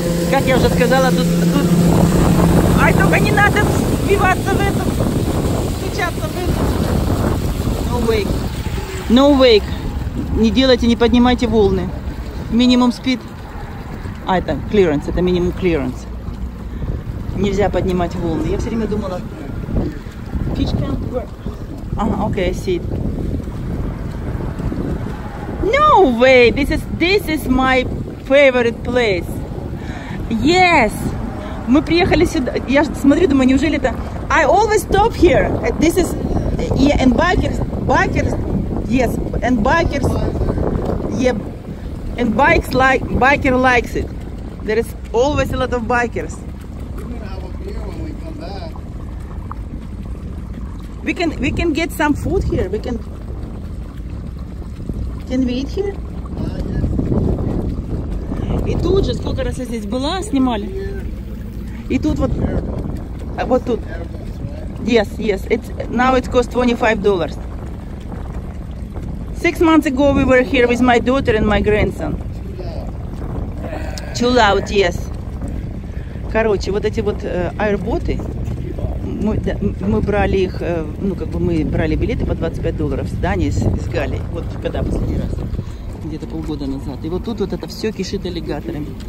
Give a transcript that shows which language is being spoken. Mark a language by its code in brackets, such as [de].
[ru] Как я уже сказала, тут... Ай, только не надо вбиваться в эту, стучаться в эту. [en] No wake. No wake. [ru] Не делайте, не поднимайте волны. Минимум спид. А, это clearance, это минимум clearance. Нельзя поднимать волны. Я все время думала... [en] Fish can't work. [ru] Ага, окей, [en] I see it. No way! This is my favorite place. Yes! [ru] Мы приехали сюда. Я смотрю, думаю, неужели это... [en] I always stop here. This is... Yeah, and bikers... Bikers... Yes, and bikers... Yeah, and bikes like... Biker likes it. There is always a lot of bikers. We're gonna have a beer when we come back. we can get some food here. We can. Can we eat here? [ru] И тут же, сколько раз я здесь была, снимали. И тут вот, вот тут. [en] Yes, yes. Now it costs $25. 6 months ago we were here with my daughter and my grandson. Too loud, yes. [ru] Короче, вот эти вот аэроботы, мы брали их, ну как бы мы брали билеты по $25 в здании с Гали. Вот когда последний раз. Где-то полгода назад. И вот тут вот это все кишит аллигаторами.